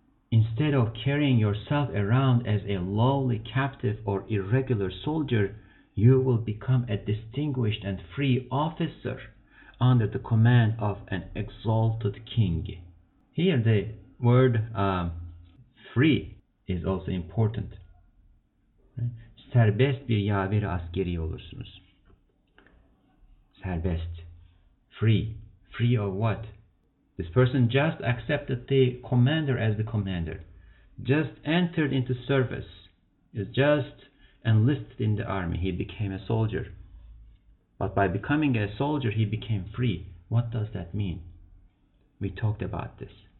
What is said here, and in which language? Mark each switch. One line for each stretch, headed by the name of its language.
English: Instead of carrying yourself around as a lowly captive or irregular soldier, you will become a distinguished and free officer under the command of an exalted king. Here the word free is also important.
Turkish: Serbest bir yaveri askeri olursunuz.
English: Serbest. Free. Free of what? This person just accepted the commander as the commander. Just entered into service. He just enlisted in the army. He became a soldier. But by becoming a soldier, he became free. What does that mean? We talked about this.